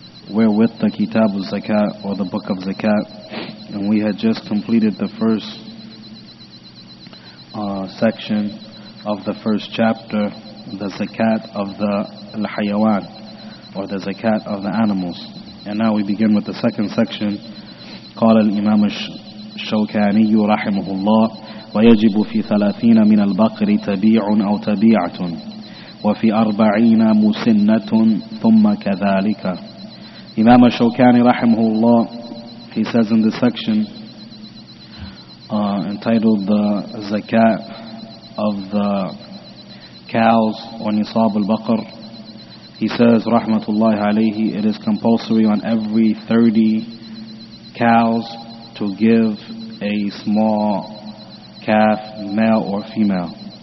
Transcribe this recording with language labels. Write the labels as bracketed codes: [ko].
[en] Wherewith the Kitab al-Zakat, or the Book of Zakat. And we had just completed the first section of the first chapter, the Zakat of the Al-Hayawan, or the Zakat of the animals. And now we begin with the second section. [ar] Qala al-Imam al-Shawkani rahimahullah, وَيَجِبُ فِي ثَلَاثِينَ مِنَ الْبَقْرِ تَبِيعٌ أَوْ تَبِيعَةٌ وَفِي أَرْبَعِينَ مُسِنَّةٌ ثُمَّ كَذَلِكَ. [en] Imam al-Shawkani rahimahullah, he says in this section entitled the Zakat of the Cows or Nisab al-Baqr, he says rahmatullahi alayhi, it is compulsory on every 30 cows to give a small calf, male or female,